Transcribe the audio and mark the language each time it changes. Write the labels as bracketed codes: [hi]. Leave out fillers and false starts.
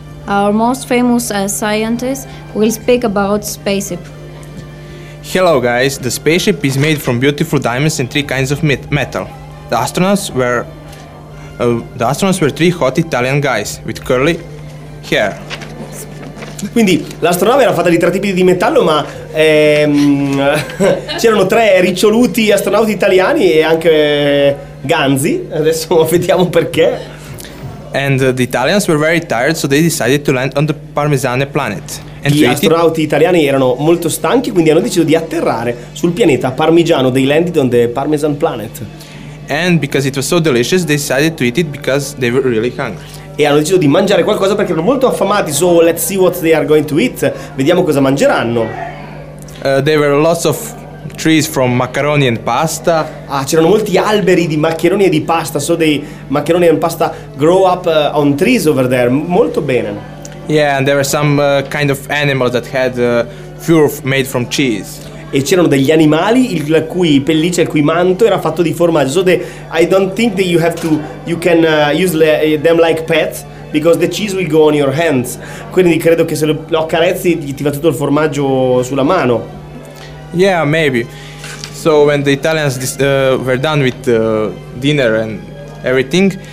[en] Our most famous scientist will speak about spaceship. Hello guys, the spaceship is made from beautiful diamonds and three kinds of metal. The astronauts were three hot Italian guys with curly hair. [it] Quindi l'astronave era fatta di tre tipi di metallo, ma c'erano tre riccioluti astronauti italiani e anche ganzi. Adesso vediamo perché. [en] And the Italians were very tired, so they decided to land on the Parmigiano planet. And [it] gli astronauti italiani erano molto stanchi, quindi hanno deciso di atterrare sul pianeta Parmigiano. [en] They landed on the Parmigiano planet. And because it was so delicious, they decided to eat it because they were really hungry. [it] E hanno deciso di mangiare qualcosa perché erano molto affamati. [en] So let's see what they are going to eat. [it] Vediamo cosa mangeranno. [en] There were lots of trees from macaroni and pasta. [it] Ah, c'erano molti alberi di maccheroni e di pasta. [en] So [it] dei maccheroni [en] and pasta grow up on trees over there. [it] Molto bene. [en] Yeah, and there were some kind of animals that had fur made from cheese. [it] E c'erano degli animali la cui pelliccia, il cui manto era fatto di formaggio. [en] So I don't think that you can use them like pets because the cheese will go on your hands. [it] Quindi credo che se lo accarezzi ti va tutto il formaggio sulla mano. [en] Yeah, maybe. So when the Italians were done with dinner and everything,